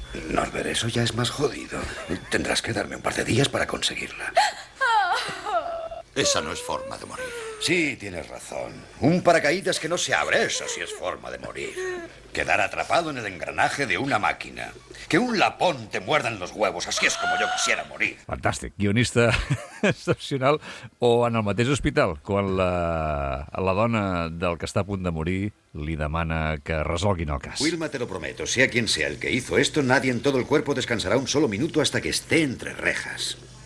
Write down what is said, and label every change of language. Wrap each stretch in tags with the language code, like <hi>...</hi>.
<es>Norbert, eso ya es más jodido. Tendrás que darme un par de días para conseguirla. Esa no es forma de morir. Sí, tienes razón. Un paracaídas que no se abre, eso sí es forma de morir. Quedar atrapado en el engranaje de una máquina. Que un lapón te muerda en los huevos, así es como yo quisiera morir.</es> <ca>Fantàstic, guionista excepcional. O en el mateix hospital, quan la dona del que està a punt de morir li demana que resolguin el cas.</ca> <es>Wilma, te lo prometo, sea quien sea el que hizo esto, nadie en todo el cuerpo descansará un solo minuto hasta que esté entre rejas.</es>